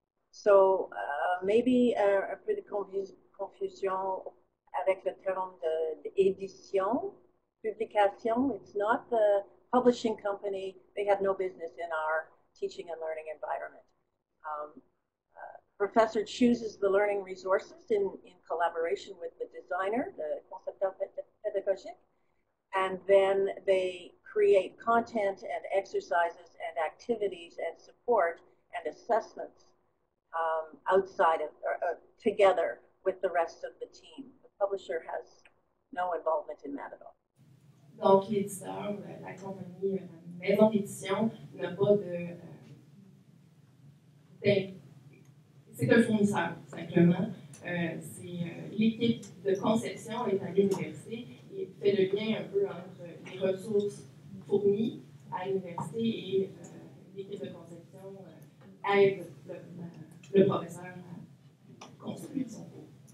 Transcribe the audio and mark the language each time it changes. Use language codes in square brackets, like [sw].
[en] So maybe [fr] un peu de confusion avec le terme de édition, publication. [en] It's not the publishing company. They have no business in our teaching and learning environment. Professor chooses the learning resources in collaboration with the designer, the concepteur pédagogique, and then they create content and exercises and activities and support and assessments outside of, or together with the rest of the team. The publisher has no involvement in that at all. [fr] Donc, l'éditeur, la compagnie, la maison d'édition n'a pas de. C'est un fournisseur, simplement. C'est l'équipe de conception est à l'université et fait le lien un peu entre les ressources fournies à l'université et l'équipe de conception aide le professeur à construire son cours.